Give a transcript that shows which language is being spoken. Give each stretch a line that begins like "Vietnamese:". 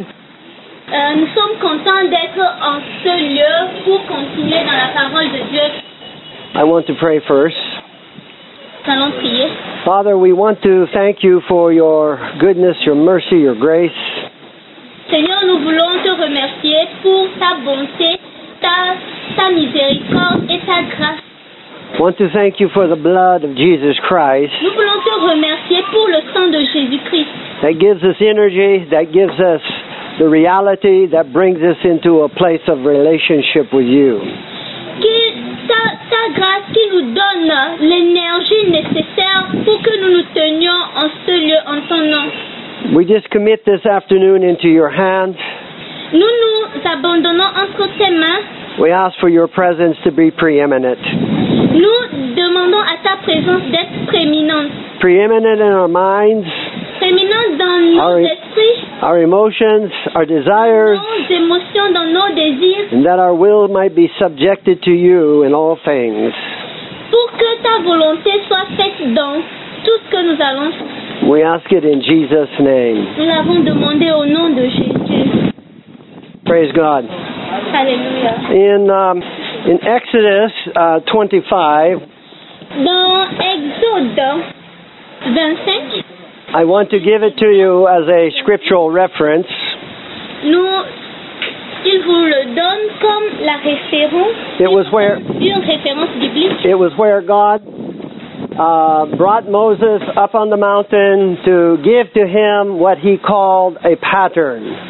French: Nous sommes contents d'être en ce lieu pour continuer dans la parole de Dieu.
English: I want to pray first.
French: Nous allons prier.
English: Father, we want to thank you for your goodness, your mercy, your grace.
French: Seigneur, nous voulons te remercier pour ta bonté, ta miséricorde et ta grâce.
English: I want to thank you for the blood of Jesus Christ.
French: Nous voulons te remercier pour le sang de Jésus-Christ.
English: That gives us energy, that gives us the reality, that brings us into a place of relationship with you.
French: Ta grâce qui nous donne l'énergie nécessaire pour que nous nous tenions en ce lieu en ton nom.
English: We just commit this afternoon into your hands.
French: Nous nous abandonnons entre tes mains.
English: We ask for your presence to be preeminent.
French: Nous demandons à ta présence d'être prééminente.
English: Preeminent in our minds.
French: Prééminente dans nos esprits.
English: Our emotions, our desires.
French: Nos émotions, dans nos désirs.
English: And that our will might be subjected to you in all things.
French: Pour que ta volonté soit faite dans tout ce que nous allons.
English: We ask it in Jesus' name.
French: Nous l'avons demandé au nom de Jésus.
English: Praise God. Hallelujah. In Exodus 25.
French: Dans Exode 25.
English: I want to give it to you as a scriptural reference.
French: Nous, il vous le donne comme la référence.
English: It was where.
French: Une référence biblique.
English: It was where God brought Moses up on the mountain to give to him what he called a pattern.